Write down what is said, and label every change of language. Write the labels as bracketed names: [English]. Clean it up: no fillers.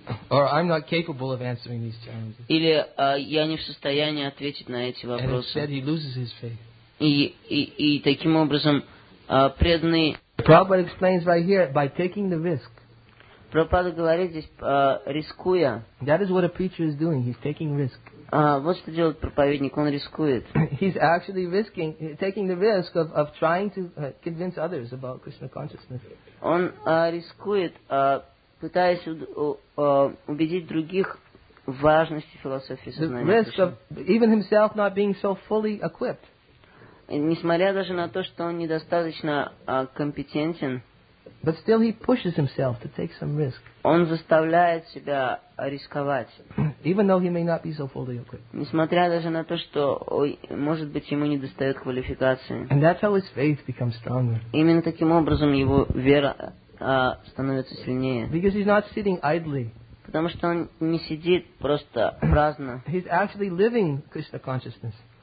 [English] Or I'm not capable of answering these challenges. [Russian] Или я не в состоянии ответить на эти вопросы. [English] And instead he loses his faith. [Russian] И таким образом преданный. [English] Prabhupada explains right here by taking the risk. [Russian] Прабхупада говорит здесь, рискуя. [English] That is what a preacher is doing. He's taking risk. [Russian] Вот что делает проповедник, он рискует. [English] He's actually risking, taking the risk of trying to convince others about Krishna consciousness. [Russian] Он рискует, пытаясь убедить других в важности философии сознания. [English] The risk of even himself not being so fully equipped. [Russian] Несмотря даже на то, что он недостаточно компетентен. [English] But still he pushes himself to take some risk. [Russian] Он заставляет себя рисковать. [English] Even though he may not be so fully equipped. [Russian] Несмотря даже на то, что, может быть, ему недостает квалификации. [English] And that's how his faith becomes stronger. [Russian] Именно таким образом его вера становится сильнее. [English] Because he's not sitting idly. [Russian] Потому что он не сидит просто праздно. [English] He's actually living Krishna consciousness.